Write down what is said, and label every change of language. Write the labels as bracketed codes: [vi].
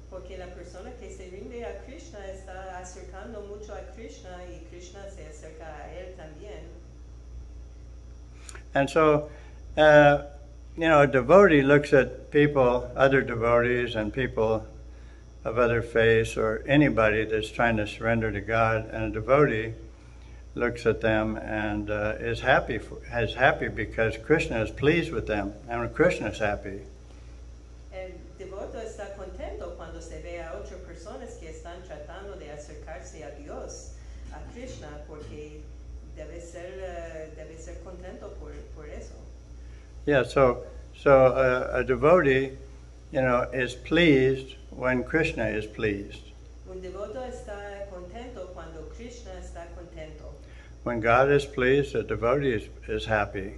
[es] Porque la persona que se rinde a Krishna está acercando mucho a Krishna y Krishna se acerca a él también. [en] And so, you know, a devotee looks at people, other devotees and people of other faiths or anybody that's trying to surrender to God, and a devotee looks at them and is happy because Krishna is pleased with them, and Krishna is happy. [es] El devoto está contento cuando se ve a otras personas que están tratando de acercarse a Dios, a Krishna, porque debe ser contento por eso. [en] Yeah, so a devotee, you know, is pleased when Krishna is pleased. [es] Un devoto está contento cuando Krishna está contento. [en] When God is pleased, the devotee is happy.